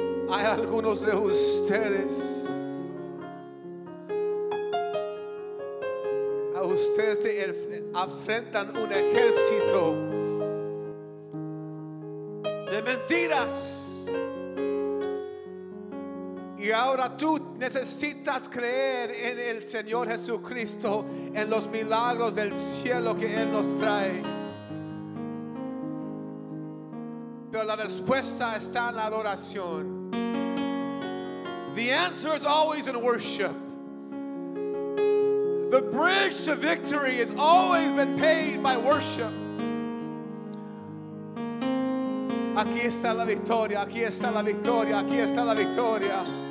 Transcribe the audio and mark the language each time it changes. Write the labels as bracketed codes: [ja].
[es] Algunos de ustedes, a ustedes se enfrentan un ejército de mentiras, y ahora tú necesitas creer en el Señor Jesucristo, en los milagros del cielo que Él nos trae. Pero la respuesta está en la adoración. [en] The answer is always in worship. The bridge to victory has always been paid by worship. [es] Aquí está la victoria, aquí está la victoria, aquí está la victoria.